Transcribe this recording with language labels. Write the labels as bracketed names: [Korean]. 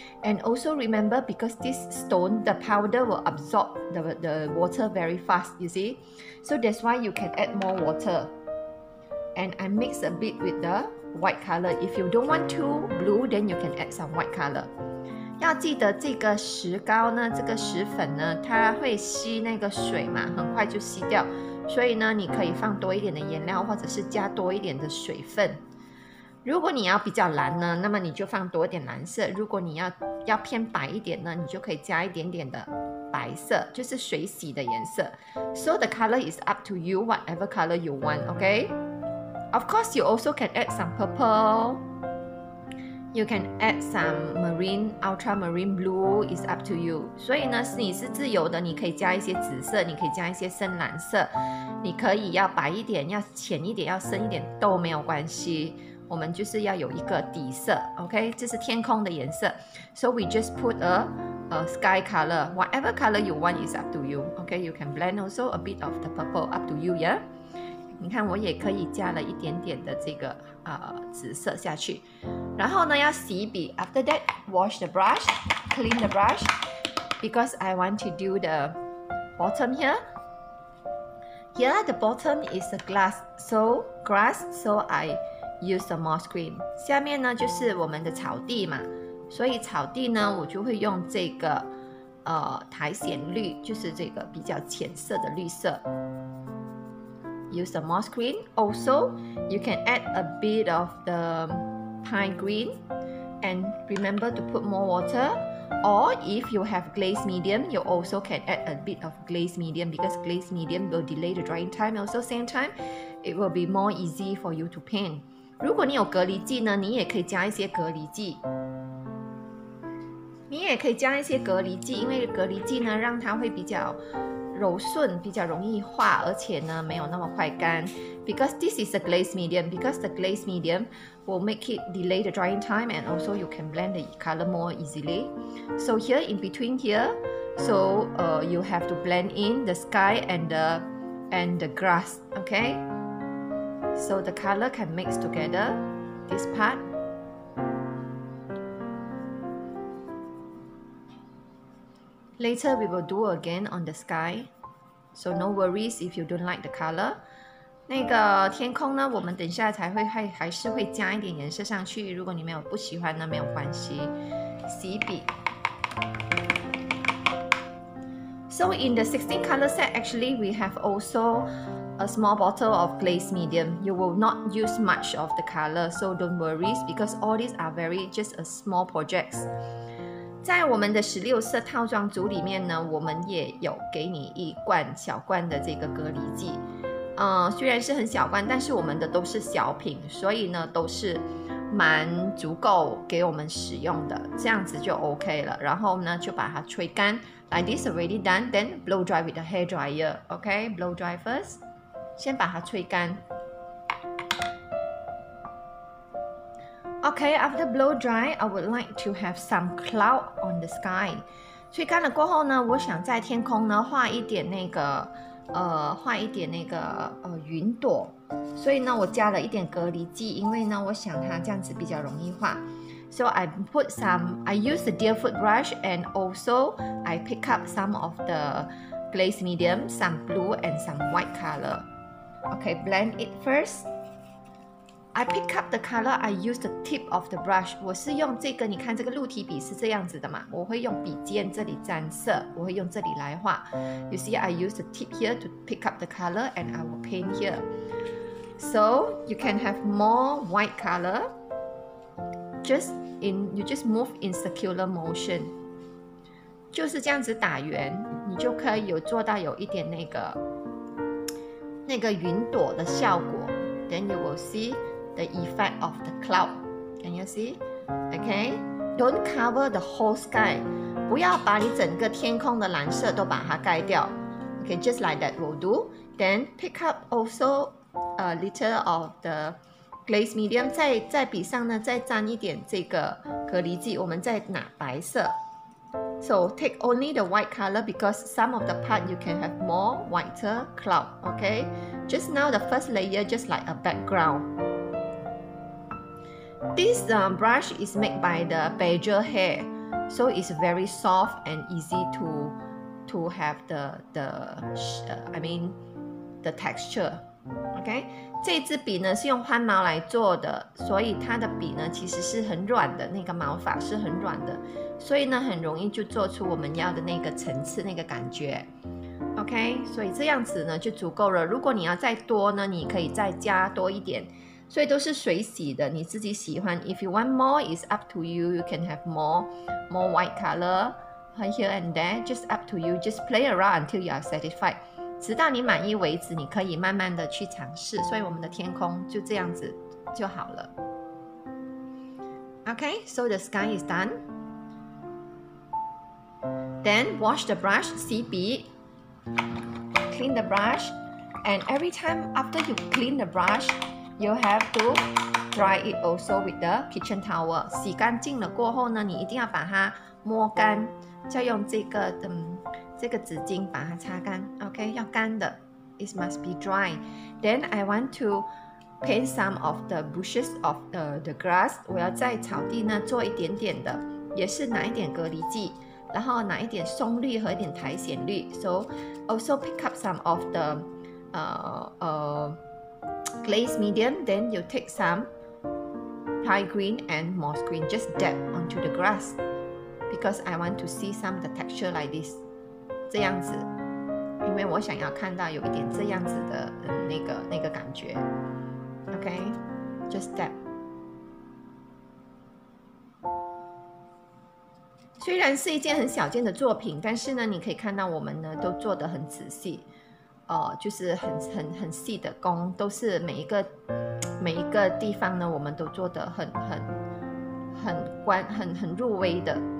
[English] And also remember, because this stone, the powder will absorb the water very fast, you see. So that's why you can add more water. And I mix a bit with the white color. If you don't want too blue, then you can add some white color. [Chinese] 要记得这个石膏呢，这个石粉呢，它会吸那个水嘛，很快就吸掉。所以呢，你可以放多一点的颜料，或者是加多一点的水分。如果你要比较蓝呢，那么你就放多一点蓝色。如果你要偏白一点呢，你就可以加一点点的白色，就是水洗的颜色。 [English] So the color is up to you, whatever color you want, okay? Of course, you also can add some purple. You can add some marine, ultramarine blue, it's up to you. [Chinese] 所以呢，你是自由的，你可以加一些紫色，你可以加一些深蓝色，你可以要白一点，要浅一点，要深一点都没有关系。我们就是要有一个底色， OK? 这是天空的颜色。 [English] So we just put a sky color, whatever color you want is up to you. OK, you can blend also a bit of the purple, up to you, yeah? [Chinese] 你看我也可以加了一点点的这个紫色下去。然后呢，要洗笔。 [English] After that, wash the brush, clean the brush, because I want to do the bottom here. Here, the bottom is a grass, so I use the moss green. [Chinese] 下面呢就是我们的草地嘛，所以草地呢，我就会用这个苔藓绿，就是这个比较浅色的绿色。 [English] Use the moss green. Also, you can add a bit of the pine green, and remember to put more water. Or if you have glaze medium, you also can add a bit of glaze medium, because glaze medium will delay the drying time. Also, same time, it will be more easy for you to paint. [Chinese] 如果你有隔离剂呢，你也可以加一些隔离剂。你也可以加一些隔离剂，因为隔离剂呢，让它会比较柔顺，比较容易化，而且呢，没有那么快干。 [English] Because this is a glaze medium, because the glaze medium will make it delay the drying time, and also you can blend the color more easily. So here in between here, so you have to blend in the sky and the grass, okay? So the color can mix together this part. Later, we will do again on the sky. So no worries if you don't like the color. [Chinese] 那个天空呢，我们等下才会还是会加一点颜色上去。如果你没有不喜欢呢，没有关系。洗笔。 [English] So in the 16 color set, actually, we have also a small bottle of glaze medium. You will not use much of the color, so don't worries because all these are very just a small projects. [Chinese] 在我们的十六色套装组里面呢，我们也有给你一罐小罐的这个隔离剂，虽然是很小罐，但是我们的都是小瓶，所以呢都是蛮足够给我们使用的，这样子就 OK 了。然后呢就把它吹干 [English] ，Like this already done, then blow dry with the hair dryer, OK? Blow dry first, [Chinese] 先把它吹干。 [English] Okay, after blow dry, I would like to have some cloud on the sky. [Chinese] 吹干了过后呢，我想在天空呢画一点那个，画一点那个云朵。所以呢，我加了一点隔离剂，因为呢，我想它这样子比较容易画。 [English] So I put some, I use the deerfoot brush, and also I pick up some of the glaze medium, some blue and some white color. Okay, blend it first. I pick up the color, I use the tip of the brush. [Chinese] 我是用这个，你看这个鹿蹄笔是这样子的嘛，我会用笔尖这里沾色，我会用这里来画。 [English] You see, I use the tip here to pick up the color and I will paint here. So, you can have more white color. You just move in circular motion. [Chinese] 就是这样子打圆，你就可以有做到有一点那个云朵的效果。 [English] Then you will see. The effect of the cloud. Can you see? Okay. Don't cover the whole sky. [Chinese] 不要把你整个天空的蓝色都把它盖掉。 [English] Okay, just like that will do. Then pick up also a little of the glaze medium. [Chinese] 在笔上呢，再沾一点这个隔离剂，我们再拿白色。 [English] So take only the white color because some of the part you can have more whiter cloud. Okay. Just now the first layer just like a background. this brush is made by the Bajor hair, so it's very soft and easy to have the texture. [Chinese] OK， 这支笔呢是用獾毛来做的，所以它的笔呢其实是很软的，那个毛发是很软的，所以呢很容易就做出我们要的那个层次那个感觉。 OK， 所以这样子呢就足够了。如果你要再多呢，你可以再加多一点，所以都是水洗的，你自己喜欢。 [English] If you want more, it's up to you. You can have more white color here and there. Just up to you. Just play around until you are satisfied. [Chinese] 直到你满意为止，你可以慢慢的去尝试。所以我们的天空就这样子就好了。 [English] OK, so the sky is done. Then wash the brush, [Chinese] 洗笔。 [English] Clean the brush, and every time after you clean the brush, you have to dry it also with the kitchen towel. [Chinese] 洗干净了过后呢，你一定要把它抹干，就用这个纸巾把它擦干。 [English] OK, [Chinese] 要干的 [English] ，it must be dry. Then I want to paint some of the bushes of the grass. [Chinese] 我要在草地呢做一点点的，也是拿一点隔离剂。然后拿一点松绿和一点苔藓绿 [English] ，so also pick up some of the glaze medium. Then you take some Thai green and moss green, just dab onto the grass because I want to see some the texture like this. [Chinese] 这样子，因为我想要看到有一点这样子的那个感觉。 [English] Okay, just dab. [Chinese] 虽然是一件很小件的作品，但是呢你可以看到我们呢都做得很仔细，就是很细的工，都是每一个地方呢我们都做得很入微的。